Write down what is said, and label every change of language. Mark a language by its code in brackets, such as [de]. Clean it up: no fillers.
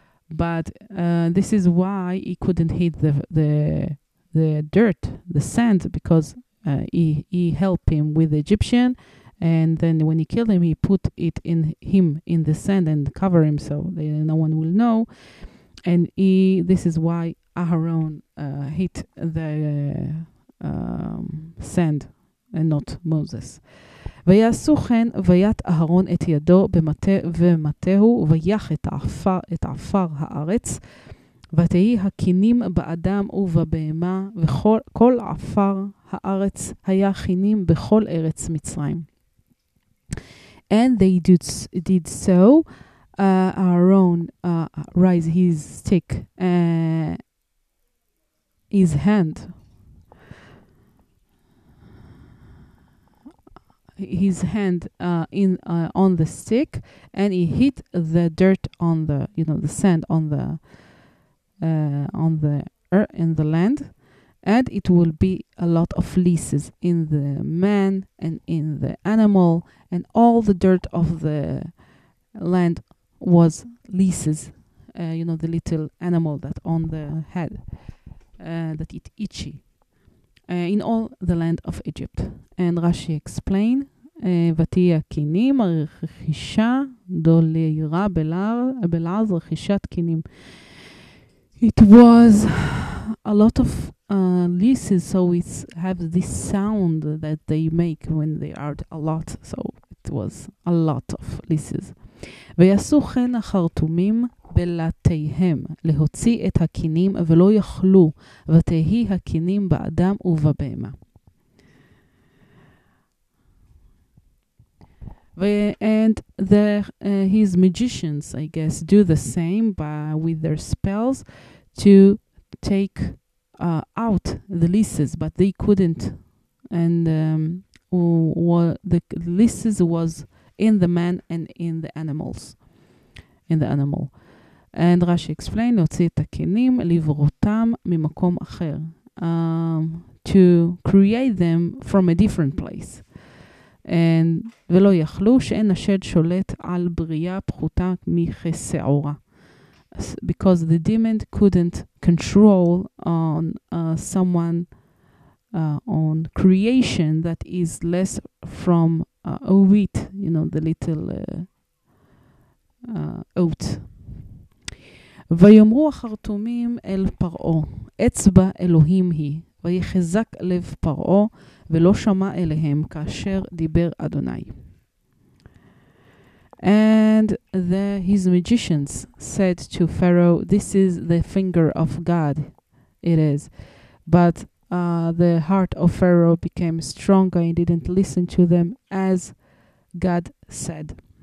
[en] But this is why he couldn't hit the dirt, the sand, because he helped him with the Egyptian, and then when he killed him, he put it in him in the sand and cover him so that no one will know. And this is why Aharon hit the sand and not Moses. [he] ויעשו כן ויית אהרון את ידו במטה ומטהו ויח את העפר הארץ ותהי הכינים באדם ובבהמה וכל עפר הארץ היה כינים בכל ארץ מצרים. [en] And they did so. Aharon raised his stick, his hand. His hand on the stick, and he hit the dirt on the, you know, the sand on the earth, in the land, and it will be a lot of leases in the man and in the animal, and all the dirt of the land was leases, you know, the little animal that on the head that it itchy, in all the land of Egypt. And Rashi explained, [he] ותהי הכינים רכישה דולירה בלעז רכישת כינים. [en] It was a lot of leases, so it have this sound that they make when they are a lot, so it was a lot of leases. [he] ויעשו כן החרטומים בלתיהם להוציא את הכינים ולא יכלו, ותהי הכינים באדם ובבהמה. [en] And the his magicians, I guess, do the same with their spells to take out the lices, but they couldn't. And the lices was in the man and in the animals, in the animal. And Rashi explained, [he] להוציא את הכנים, לברותם ממקום אחר. [en] To create them from a different place. And [he] ולא יכלו שאין השד שולט על בריאה פחותה מכסעורה. [en] Because the demon couldn't control on someone on creation that is less from oat, you know, the little oat. [he] ויאמרו החרטומים אל פרעו, אצבע אלוהים היא, ויחזק לב פרעו, ולא שמע אליהם כאשר דיבר אדוני. [en] And the his magicians said to Pharaoh, this is the finger of God, it is. But the heart of Pharaoh became stronger and didn't listen to them as God said.